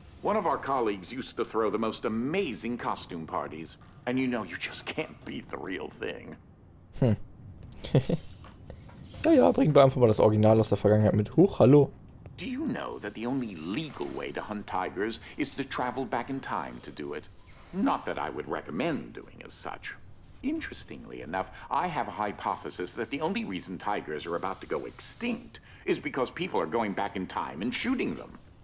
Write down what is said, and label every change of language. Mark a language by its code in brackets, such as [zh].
[en] One of our colleagues used to throw the most amazing costume parties, and you know you just can't beat the real thing. Hm. [de] Ja, bringen wir einfach mal das Original aus der Vergangenheit mit. Huch, hallo. [en] Do you know that the only legal way to hunt tigers is to travel back in time to do it? Not that I would recommend doing as such. Interestingly enough, I have a hypothesis that the only reason tigers are about to go extinct is because people are going back in time and shooting them.